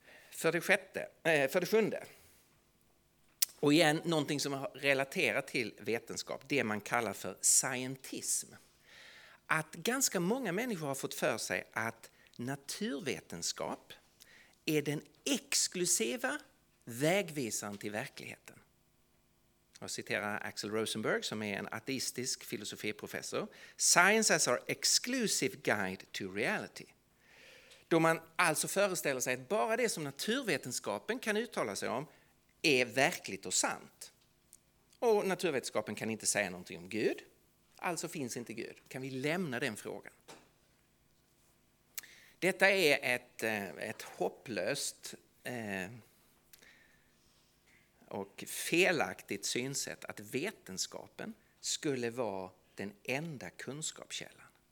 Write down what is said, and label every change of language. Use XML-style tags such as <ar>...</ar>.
<sv>För det sjunde. Och igen, någonting som har relaterat till vetenskap, det man kallar för scientism. Att ganska många människor har fått för sig att naturvetenskap är den exklusiva vägvisaren till verkligheten. Jag citerar Axel Rosenberg som är en ateistisk filosofiprofessor.</sv> <en>Science as our exclusive guide to reality.</en> <sv>Då man alltså föreställer sig att bara det som naturvetenskapen kan uttala sig om är verkligt och sant. Och naturvetenskapen kan inte säga någonting om Gud. Alltså finns inte Gud. Kan vi lämna den frågan? Detta är ett hopplöst och felaktigt synsätt att vetenskapen skulle vara den enda kunskapskällan.</sv>